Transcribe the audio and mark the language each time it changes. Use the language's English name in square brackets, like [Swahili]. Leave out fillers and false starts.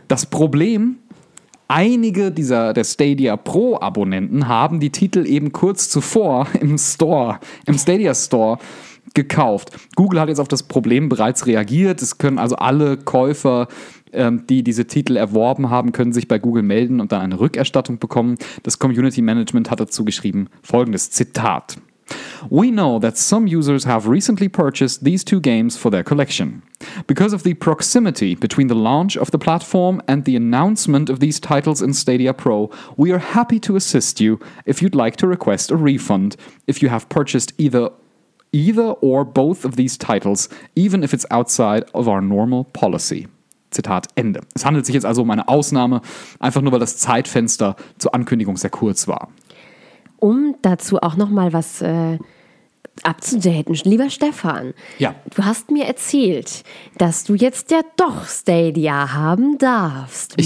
[German] Das Problem, einige dieser der Stadia Pro Abonnenten haben die Titel eben kurz zuvor im Store, im Stadia Store gekauft. Google hat jetzt auf das Problem bereits reagiert. Es können also alle Käufer, die diese Titel erworben haben, können sich bei Google melden und dann eine Rückerstattung bekommen. Das Community Management hat dazu geschrieben folgendes Zitat. [English] We know that some users have recently purchased these two games for their collection. Because of the proximity between the launch of the platform and the announcement of these titles in Stadia Pro, we are happy to assist you if you'd like to request a refund if you have purchased either or both of these titles, even if it's outside of our normal policy. [German] Zitat Ende. Es handelt sich jetzt also um eine Ausnahme, einfach nur weil das Zeitfenster zur Ankündigung sehr kurz war. Um dazu auch nochmal was abzudaten. Lieber Stefan, ja. Du hast mir erzählt, dass du jetzt ja doch Stadia haben darfst.